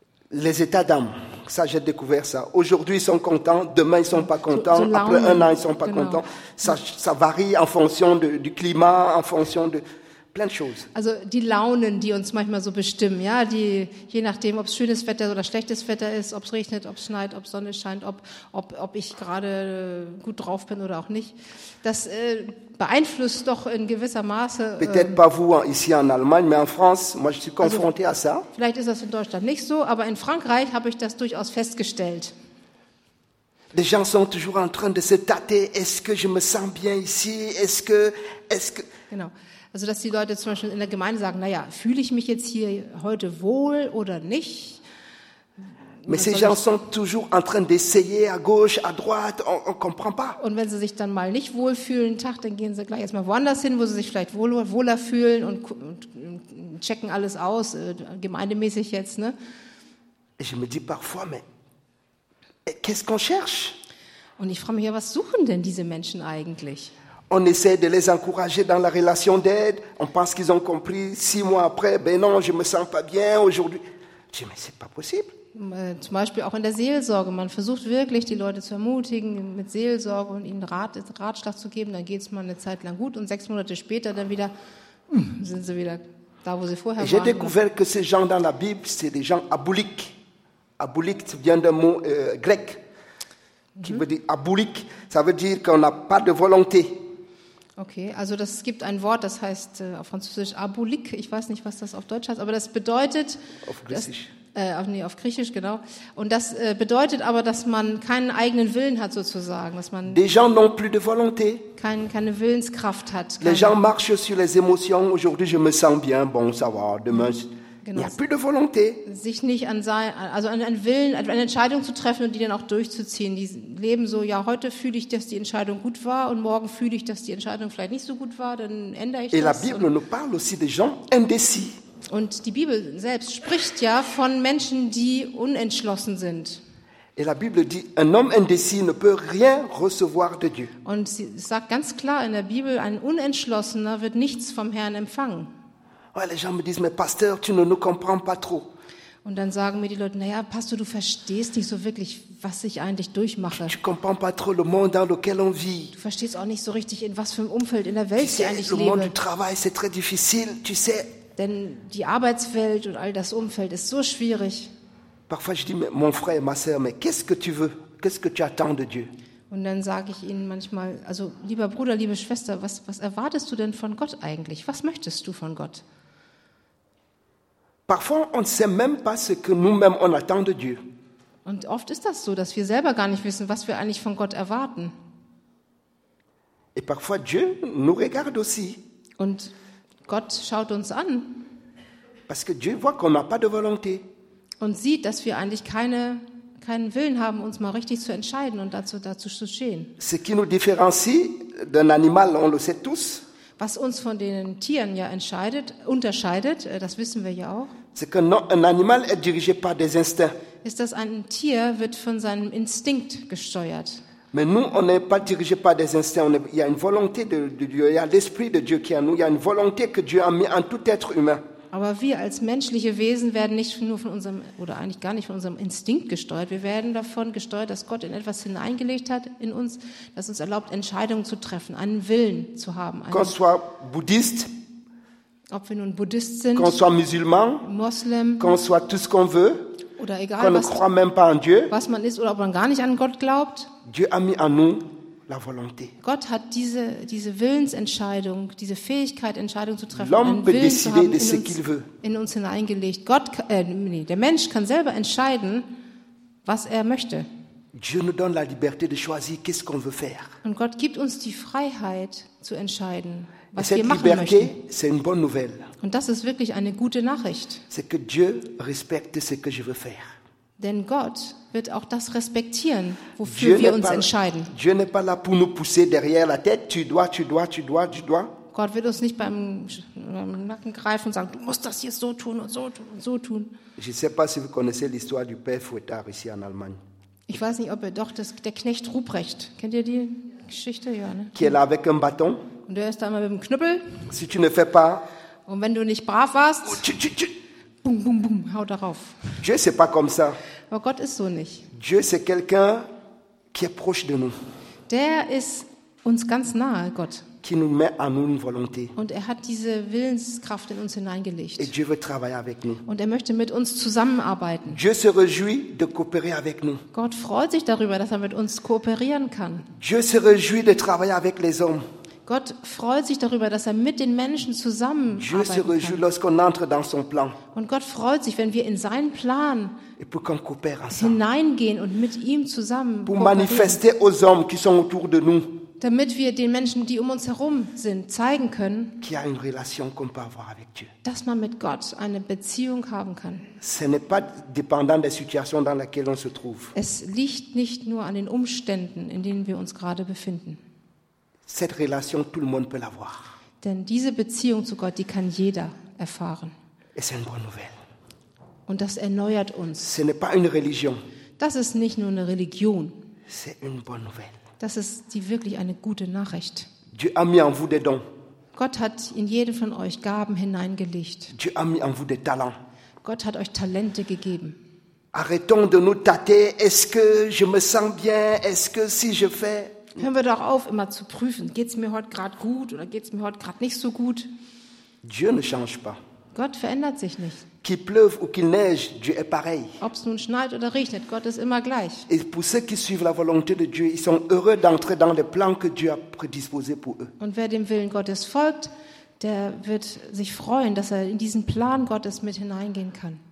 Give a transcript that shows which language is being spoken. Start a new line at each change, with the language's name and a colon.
French: Les états d'âme, ça j'ai découvert ça. Aujourd'hui ils sont contents, demain ils sont pas contents, après un an ils sont pas contents. Ça varie en fonction du climat, en fonction de plein de choses.
German: Also die Launen, die uns manchmal so bestimmen, ja, die je nachdem, ob es schönes Wetter oder schlechtes Wetter ist, ob es regnet, ob es schneit, ob Sonne scheint, ob ich gerade gut drauf bin oder auch nicht. Das beeinflusst doch in gewisser Maße.
French: Peut-être pas vous ici en Allemagne, mais en France, moi je suis confronté à ça.
German: Vielleicht ist das in Deutschland nicht so, aber in Frankreich habe ich das durchaus festgestellt.
French: Les gens sont toujours en train de se tâter. Est-ce que je me sens bien ici? Est-ce que?
German: Genau. Also dass die Leute zum Beispiel in der Gemeinde sagen: Naja, fühle ich mich jetzt hier heute wohl oder nicht?
French: Mais ces gens sont toujours en train d'essayer à gauche, à droite, on comprend pas.
German: Und wenn sie sich dann mal nicht wohlfühlen, Tag, dann gehen sie gleich erstmal woanders hin, wo sie sich vielleicht wohler fühlen und checken alles aus, gemeindemäßig jetzt, ne?
French: Je me dis parfois, mais qu'est-ce qu'on cherche?
German: Und ich frage mich, ja, was suchen denn diese Menschen eigentlich?
French: On essaie de les encourager dans la relation d'aide. On pense qu'ils ont compris. Six mois après, ben non, je me sens pas bien aujourd'hui. Je dis, mais c'est pas possible.
German: Zum Beispiel auch in der Seelsorge. Man versucht wirklich, die Leute zu ermutigen mit Seelsorge und ihnen Ratschlag zu geben. Dann geht es mal eine Zeit lang gut und sechs Monate später dann wieder sind sie wieder da, wo sie vorher waren.
French: J'ai découvert que ces gens dans la Bible, c'est des gens aboliques. Aboliques vient d'un mot grec qui veut dire aboliques. Ça veut dire qu'on n'a pas de volonté.
German: Okay, also das gibt ein Wort, das heißt auf Französisch aboulique, ich weiß nicht, was das auf Deutsch heißt, aber das bedeutet auf Griechisch. Auf Griechisch, genau. Und das bedeutet aber, dass man keinen eigenen Willen hat sozusagen, dass man
French: des gens n'ont plus de volonté.
German: Keine Willenskraft hat.
French: Les gens marchent sur les émotions. Aujourd'hui, je me sens bien, bon, ça va. Demain, il n'y a plus de volonté.
German: Sich nicht an sein, also an einen Willen, eine Entscheidung zu treffen und die dann auch durchzuziehen. Die leben so, ja, heute fühle ich, dass die Entscheidung gut war und morgen fühle ich, dass die Entscheidung vielleicht nicht so gut war, dann ändere ich
French: et
German: das.
French: La Bible nous parle aussi des gens indécis.
German: Und die Bibel selbst spricht ja von Menschen, die unentschlossen sind.
French: Et la Bible dit, un homme indécis ne peut rien recevoir de Dieu.
German: Und sie sagt ganz klar in der Bibel, ein Unentschlossener wird nichts vom Herrn empfangen.
French: Les gens me disent, mais pasteur, tu ne nous comprends pas trop.
German: Und dann sagen mir die Leute, naja, Pastor, du verstehst nicht so wirklich, was ich eigentlich durchmache.
French: Tu comprends pas trop le monde dans lequel on vit.
German: Du verstehst auch nicht so richtig, in was für einem Umfeld in der Welt ich eigentlich lebe.
French: Le monde du travail, c'est très difficile, tu sais.
German: Denn die Arbeitswelt und all das Umfeld ist so schwierig.
French: Parfois je dis, mon frère, ma sœur, mais qu'est-ce que tu veux? Qu'est-ce que tu attends de Dieu?
German: Und dann sage ich ihnen manchmal, also lieber Bruder, liebe Schwester, was erwartest du denn von Gott eigentlich? Was möchtest du von Gott?
French: Parfois on ne sait même pas ce que nous-mêmes on attend de Dieu.
German: Und oft ist das so, dass wir selber gar nicht wissen, was wir eigentlich von Gott erwarten.
French: Et parfois Dieu nous regarde aussi.
German: Und Gott schaut uns an.
French: Parce que Dieu voit qu'on n'a pas de volonté.
German: Und sieht, dass wir eigentlich keinen Willen haben, uns mal richtig zu entscheiden und dazu zu stehen.
French: Ce qui nous différencie d'un animal, on le sait tous.
German: Was uns von den Tieren ja unterscheidet, das wissen wir ja auch.
French: C'est qu'un animal est dirigé par des instincts.
German: Ist, dass ein Tier wird von seinem Instinkt gesteuert.
French: Mais nous, on n'est pas dirigé par des instincts. Il y a une volonté de Dieu. Il y a l'esprit de Dieu qui est en nous. Il y a une volonté que Dieu a mis en tout être humain.
German: Aber wir als menschliche Wesen werden nicht nur von unserem oder eigentlich gar nicht von unserem Instinkt gesteuert. Wir werden davon gesteuert, dass Gott in etwas hineingelegt hat in uns, das uns erlaubt, Entscheidungen zu treffen, einen Willen zu haben.
French: Qu'on soit bouddhiste,
German: ob wir nun Buddhist sind,
French: qu'on soit musulman,
German: Muslim,
French: qu'on soit tout ce qu'on veut,
German: oder egal
French: qu'on ne croit même pas en Dieu,
German: was man ist oder ob man gar nicht an Gott glaubt.
French: Dieu a mis en nous la volonté.
German: Gott hat diese Willensentscheidung, diese Fähigkeit, Entscheidungen zu treffen,
French: l'homme
German: einen Willen zu haben,
French: de ce qu'il veut.
German: In uns hineingelegt. Gott, der Mensch kann selber entscheiden, was er möchte.
French: Dieu nous donne la liberté de choisir qu'est-ce qu'on veut faire.
German: Und Gott gibt uns die Freiheit zu entscheiden, was
French: cette
German: wir machen
French: liberté,
German: möchten.
French: C'est une bonne nouvelle.
German: Und das ist wirklich eine gute Nachricht.
French: C'est que Dieu respecte ce que je veux faire.
German: Denn Gott wird auch das respektieren, wofür wir uns entscheiden.
French: Dieu n'est pas là pour nous pousser derrière la tête. Tu dois, tu dois, tu dois, tu dois.
German: Gott wird uns nicht beim Nacken greifen und sagen, du musst das hier so tun und so tun und so tun.
French: Je sais pas si vous connaissez l'histoire du père Fouettard ici en Allemagne.
German: Ich weiß nicht, ob ihr doch das der Knecht Ruprecht kennt ihr die Geschichte, ja, ne?
French: Qui est là avec un bâton.
German: Und der ist da immer mit dem Knüppel.
French: Si tu ne fais pas.
German: Und wenn du nicht brav warst.
French: Tu.
German: Boum, boum, boum, hau darauf.
French: Dieu, c'est pas comme ça.
German: Aber Gott ist so nicht.
French: Dieu, c'est quelqu'un qui est proche de nous.
German: Der ist uns ganz nahe, Gott.
French: Qui nous met en nous une volonté.
German: Und er hat diese Willenskraft in uns hineingelegt.
French: Et Dieu veut travailler avec nous.
German: Und er möchte mit uns zusammenarbeiten.
French: Dieu se réjouit de coopérer avec nous.
German: Gott freut sich darüber, dass er mit uns kooperieren kann.
French: Dieu se réjouit de travailler avec les hommes.
German: Gott freut sich darüber, dass er mit den Menschen zusammen arbeiten kann. Und Gott freut sich, wenn wir in seinen Plan hineingehen und mit ihm zusammen kooperieren. damit wir den Menschen, die um uns herum sind, zeigen können,
French: qu'il y a une relation qu'on peut avoir avec Dieu.
German: Dass man mit Gott eine Beziehung haben kann.
French: Ce n'est pas dépendant des situations dans lesquelles on se trouve.
German: Es liegt nicht nur an den Umständen, in denen wir uns gerade befinden.
French: Cette relation, tout le monde peut l'avoir.
German: Denn diese Beziehung zu Gott, die kann jeder erfahren.
French: Et c'est une bonne nouvelle.
German: Und das erneuert uns.
French: Ce n'est pas une religion.
German: Das ist nicht nur eine Religion.
French: C'est une bonne nouvelle.
German: Das ist die wirklich eine gute Nachricht.
French: Dieu a mis en vous des dons.
German: Gott hat in jeden von euch Gaben hineingelegt.
French: Dieu a mis en vous des talents.
German: Gott hat euch Talente gegeben.
French: Arrêtons de nous tâter. Est-ce que je me sens bien? Est-ce que si je fais?
German: Hören wir doch auf, immer zu prüfen. Geht's mir heute gerade gut oder geht's mir heute gerade nicht so gut?
French: Dieu ne change pas.
German: Gott verändert sich nicht.
French: Qu'il pleuve ou qu'il neige, Dieu est pareil.
German: Ob es nun schneit oder regnet, Gott ist immer gleich.
French: Et pour ceux qui suivent la volonté de Dieu, ils sont heureux d'entrer dans les plans que Dieu a prédisposés pour eux.
German: Und wer dem Willen Gottes folgt, der wird sich freuen, dass er in diesen Plan Gottes mit hineingehen kann.